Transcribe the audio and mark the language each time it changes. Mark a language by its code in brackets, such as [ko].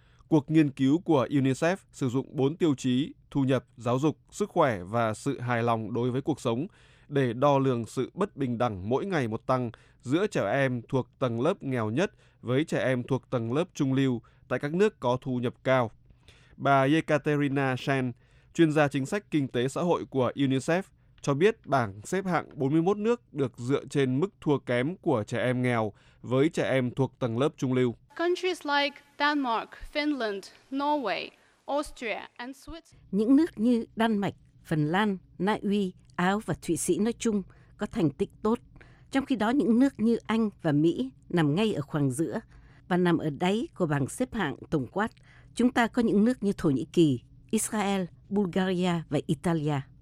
[vi] Cuộc nghiên cứu của UNICEF sử dụng 4 tiêu chí thu nhập, giáo dục, sức khỏe và sự hài lòng đối với cuộc sống để đo lường sự bất bình đẳng mỗi ngày một tăng giữa trẻ em thuộc tầng lớp nghèo nhất với trẻ em thuộc tầng lớp trung lưu tại các nước có thu nhập cao. Bà Yekaterina Shen, chuyên gia chính sách kinh tế xã hội của UNICEF, cho biết bảng xếp hạng 41 nước được dựa trên mức thua kém của trẻ em nghèo với trẻ em thuộc tầng lớp trung lưu. [en] Countries like Denmark, Finland, Norway, Austria and Switzerland. [vi] Những nước như Đan Mạch, Phần Lan, Na Uy, Áo và Thụy Sĩ nói chung có thành tích tốt, trong khi đó những nước như Anh và Mỹ nằm ngay ở khoảng giữa và nằm ở đáy của bảng xếp hạng tổng quát. Chúng ta có những nước như Thổ Nhĩ Kỳ, Israel, Bulgaria và Italia.